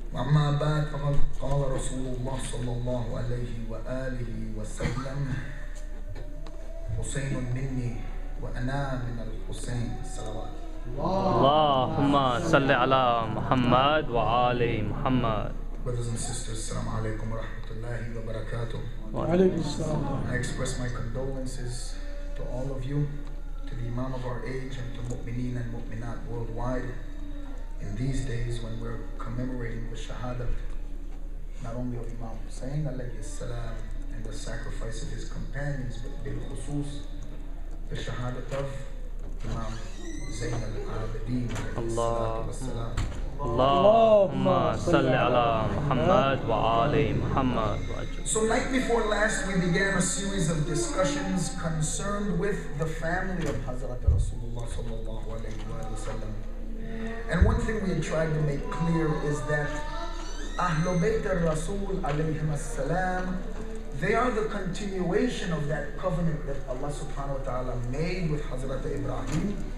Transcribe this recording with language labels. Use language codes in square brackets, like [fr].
[ar] وأما بعد، فقد قال رسول الله صلى الله عليه وآله وسلم: حسين مني وأنا من الحسين. صلوات اللهم صل على محمد وآل محمد. [en] Brothers and sisters, assalamu alaikum wa rahmatullahi wa barakatuh. [ar] Wa alaikum assalam. [en] I express my condolences to all of you, to the imam of our age, and to mu'mineen and mu'minat worldwide in these days when we're commemorating the shahada not only of Imam Hussein alayhi salam and the sacrifice of his companions, but [ar] bil khusus [en] the shahada of Imam Zain al-Abidin alayhi salam. [ar] اللهم صل على محمد وآل محمد. [en] So like before last, we began a series of discussions concerned with the family of Hazrat Rasulullah sallallahu alayhi wa sallam. And one thing we had tried to make clear is that Ahlul Bayt al-Rasul alayhi wa sallam, they are the continuation of that covenant that Allah subhanahu wa ta'ala made with Hazrat Ibrahim.